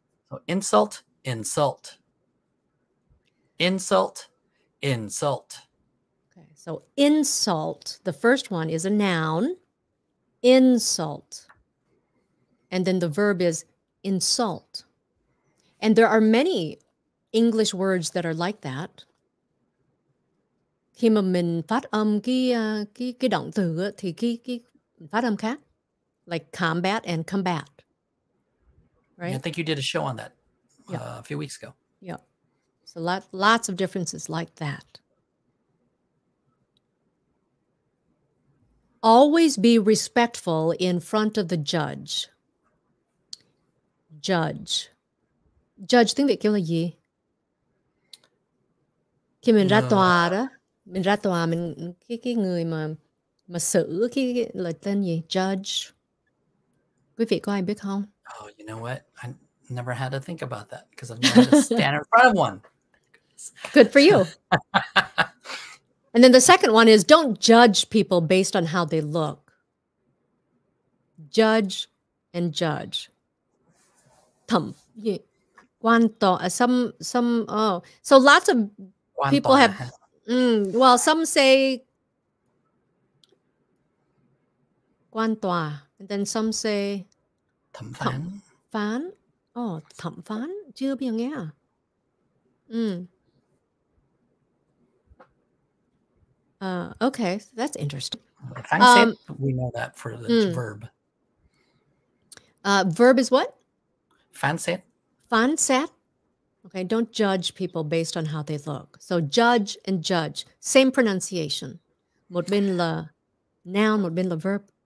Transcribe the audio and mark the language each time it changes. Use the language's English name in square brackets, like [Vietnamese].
[English] So insult, insult, insult, insult. Okay. So insult. The first one is a noun. Insult. And then the verb is insult. And there are many English words that are like that. [Vietnamese] Khi mà mình phát âm cái động từ thì cái phát âm khác, [English] like combat and combat, right? Yeah, I think you did a show on that a few weeks ago. Yeah, so lots of differences like that. Always be respectful in front of the judge. [Vietnamese] Judge, judge, tiếng Việt kêu là gì? Khi mình ra tòa đó. Mình ra tòa, mình cái người mà xử cái là tên gì? Judge. Quý vị có ai biết không? [English] Oh, you know what? I never had to think about that because I've never had to stand in front of one. Good for you. And then the second one is don't judge people based on how they look. Judge and judge. [Vietnamese] Thẩm. Quan tòa. [English] So lots of people have... well, some say quan tòa, and then some say [Vietnamese] thẩm phán. Phán. Oh, thẩm phán. Chưa biết nghe. [English] Okay, so that's interesting. We know that for the verb. Verb is what? Fanset. Fanset. Okay, don't judge people based on how they look. So judge and judge, same pronunciation. [Vietnamese] Một bên là noun, một bên là verb.